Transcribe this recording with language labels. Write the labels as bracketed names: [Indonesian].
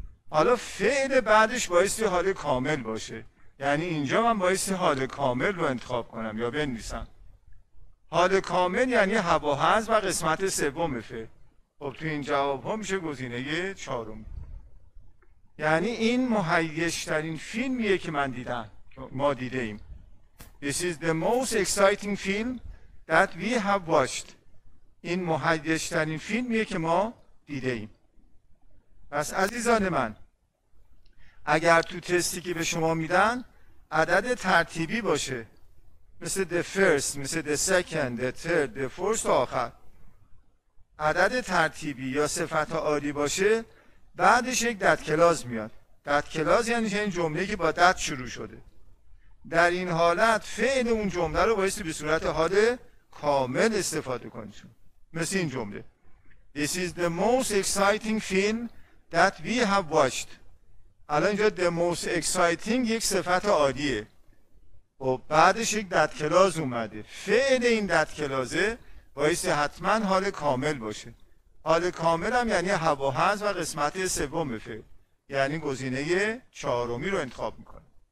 [Persian] حالا فعل بعدش بایستی حال کامل باشه. یعنی اینجا من بایستی حال کامل رو انتخاب کنم یا بنویسم. حال کامل یعنی هوا هز و قسمت سوم فعل. خب تو این جواب ها میشه گزینه چهارم. یعنی این مهیج‌ترین فیلمیه که من دیدم، ما دیدیم. [English] This is the most exciting film that we have watched. [Persian] این مهیج‌ترین فیلمیه که ما دیدیم. پس عزیزان من، اگر تو تستی که به شما میدن عدد ترتیبی باشه، مثل the first، مثل the second، the third، the first، آخر، عدد ترتیبی یا صفت عالی باشه، بعدش یک دت کلاز میاد. دت کلاز یعنی چه؟ این جمله که با دت شروع شده. در این حالت فعل اون جمله رو بایستی به صورت حال کامل استفاده کنید. مثل این جمله: [English] This is the most exciting film that we have watched. [Persian] الان اینجا the most exciting یک صفت عالیه و بعدش یک دت کلاز اومده. فعل این دت کلازه بایستی حتما حال کامل باشه. حال کامل هم یعنی هوا هز و قسمت سوم فعل، یعنی گزینه چهارمی رو انتخاب میکنه.